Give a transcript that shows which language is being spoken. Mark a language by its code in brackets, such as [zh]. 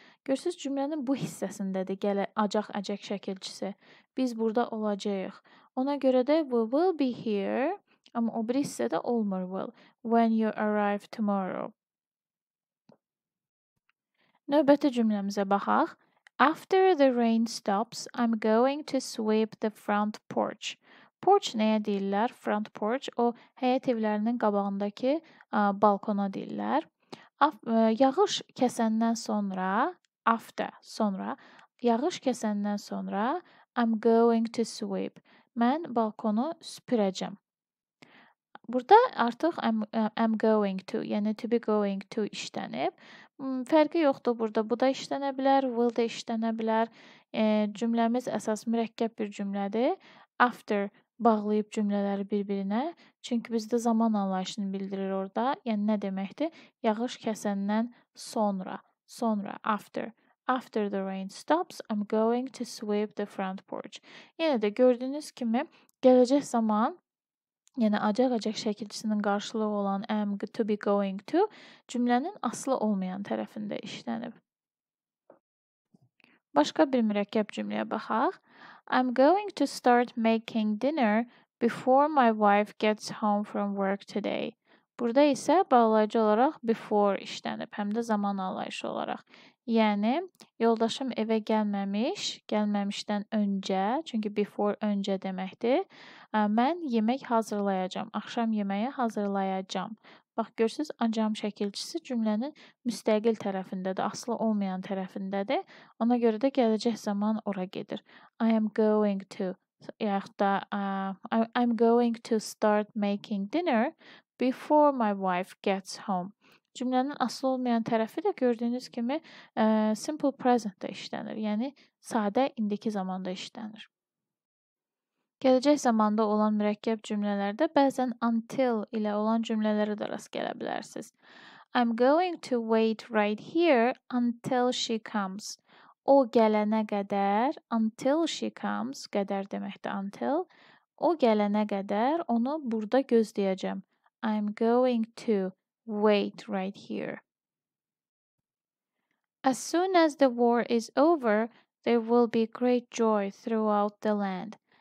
[az] Görürsünüz, cümlənin bu hissəsindədir acaq-əcək şəkilçisi. Biz burada olacağıq. Ona görə də [en] we will be here, [az] amma o bir hissədə olmur will, [en] when you arrive tomorrow. [az] Növbəti cümləmizə baxaq. [en] After the rain stops, I'm going to sweep the front porch. [az] Porch nəyə deyirlər? Front porch, o həyət evlərinin qabağındakı balkona deyirlər. Yağış kəsəndən sonra, [en] I'm going to sweep. [az] Mən balkonu süpürəcəm. Burada artıq [en] I'm going to, [az] yəni [en] to be going to [az] işlənib. Fərqi yoxdur burada. Bu da işlənə bilər, will da işlənə bilər. Cümləmiz əsas mürəkkəb bir cümlədir. After bağlayıb cümlələri bir-birinə. Çünki bizdə zaman anlayışını bildirir orada. Yəni, nə deməkdir? Yağış kəsəndən sonra. Sonra, after. [en] After the rain stops, I'm going to sweep the front porch. [az] Yenə də gördüyünüz kimi, gələcək zaman Yəni acaq-acaq şəkilçisinin qarşılığı olan am, to be going to cümlənin aslı olmayan tərəfində işlənib. Başqa bir mürəkkəb cümləyə baxaq. [en] I'm going to start making dinner before my wife gets home from work today. [az] Burada isə bağlayıcı olaraq before işlənib, həm də zaman alayışı olaraq. Yəni, yoldaşım evə gəlməmişdən öncə, çünki before öncə deməkdir, mən yemək hazırlayacam, axşam yeməyi hazırlayacam. Bax, görsünüz, acam şəkilçisi cümlənin müstəqil tərəfindədir, aslı olmayan tərəfindədir. Ona görə də gələcək zaman ora gedir. [en] I am going to, [az] yaxud da, [en] I'm going to start making dinner before my wife gets home. [az] Cümlənin aslı olmayan tərəfi də gördüyünüz kimi simple present-də işlənir. Yəni, sadə indiki zamanda işlənir. Gələcək zamanda olan mürəkkəb cümlələrdə bəzən until ilə olan cümlələrə də rast gələ bilərsiniz. [en] I'm going to wait right here until she comes. [az] O gələnə qədər, [en] until she comes, [az] qədər deməkdir until. O gələnə qədər onu burada gözləyəcəm. [en] I'm going to wait right here. As soon as the war is over, there will be great joy throughout the land.